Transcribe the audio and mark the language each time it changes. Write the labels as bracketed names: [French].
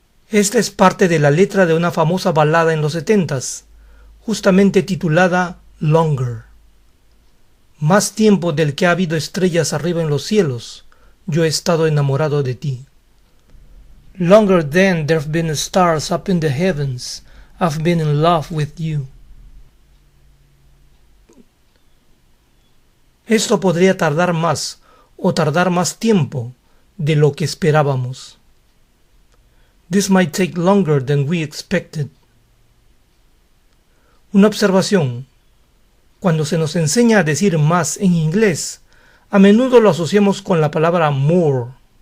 [Spanish] Esta es parte de la letra de una famosa balada en los 70s, justamente titulada Longer. Más tiempo del que ha habido estrellas arriba en los cielos, yo he estado enamorado de ti. [English] Longer than there've been stars up in the heavens, I've been in love with you. [Spanish] Esto podría tardar más o tardar más tiempo de lo que esperábamos. [English] This might take longer than we expected. [Spanish] Una observación. Cuando se nos enseña a decir más en inglés, a menudo lo asociamos con la palabra more.